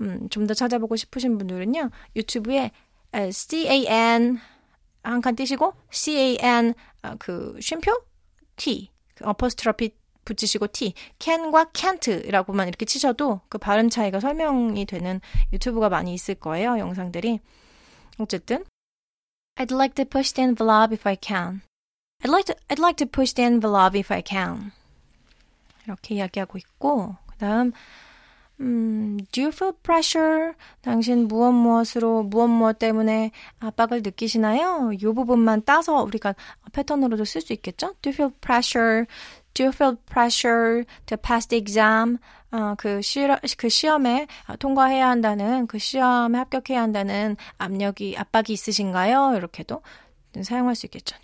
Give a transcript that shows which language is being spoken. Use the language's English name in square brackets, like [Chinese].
[Korean] 좀 더 찾아보고 싶으신 분들은요 유튜브에 can 한 칸 띄시고 can 그 쉼표 t 그 apostrophe 붙이시고 t can과 can't라고만 이렇게 치셔도 그 발음 차이가 설명이 되는 유튜브가 많이 있을 거예요. 영상들이 어쨌든 [English] I'd like to push the envelope if I can. I'd like to push the envelope if I can. [Korean] 이렇게 이야기하고 있고 그다음 [English] do you feel pressure? [Korean] 당신 무엇 무엇으로 무엇 무엇 때문에 압박을 느끼시나요? 이 부분만 따서 우리가 패턴으로도 쓸 수 있겠죠? [English] Do you feel pressure? Do you feel pressure to pass the exam? [Korean] 그 시험에 통과해야 한다는 그 시험에 합격해야 한다는 압력이 압박이 있으신가요? 이렇게도 사용할 수 있겠죠.